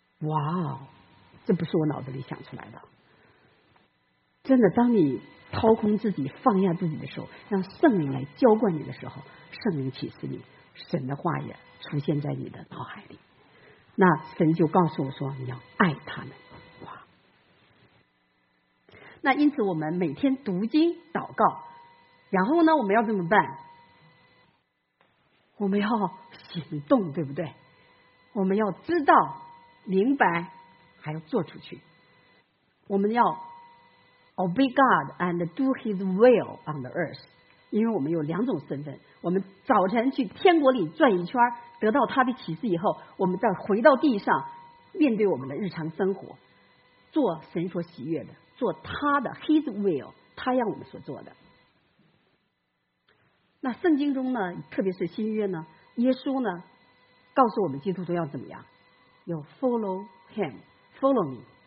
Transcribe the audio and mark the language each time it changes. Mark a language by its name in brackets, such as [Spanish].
[Chinese] 哇，这不是我脑子里想出来的，真的当你掏空自己放下自己的时候，让圣灵来浇灌你的时候，圣灵启示你，神的话也出现在你的脑海里，那神就告诉我说你要爱他们。那因此我们每天读经祷告，然后呢我们要怎么办，我们要行动，对不对，我们要知道明白，还要做出去。我们要 [English] obey God and do His will on the earth， [Chinese] 因为我们有两种身份。我们早晨去天国里转一圈，得到他的启示以后，我们再回到地上，面对我们的日常生活，做神所喜悦的，做他的 [English] His will， [Chinese] 他让我们所做的。那圣经中呢，特别是新约呢，耶稣呢告诉我们基督徒要怎么样，要 [English] follow him， follow me。